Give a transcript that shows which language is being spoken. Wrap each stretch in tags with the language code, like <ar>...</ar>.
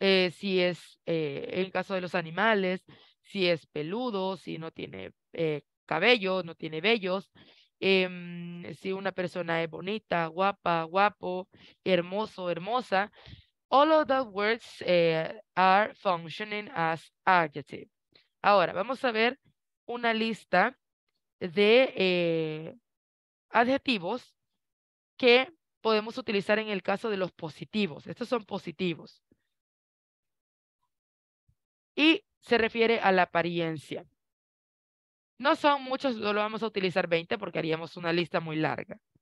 <es>Si es el caso de los animales, si es peludo, si no tiene cabello, no tiene vellos, si una persona es bonita, guapa, guapo, hermoso, hermosa.</es> <en>All of those words are functioning as adjective.</en> <es>Ahora, vamos a ver una lista de adjetivos que podemos utilizar en el caso de los positivos. Estos son positivos. Y se refiere a la apariencia. No son muchos, solo vamos a utilizar 20 porque haríamos una lista muy larga.</es>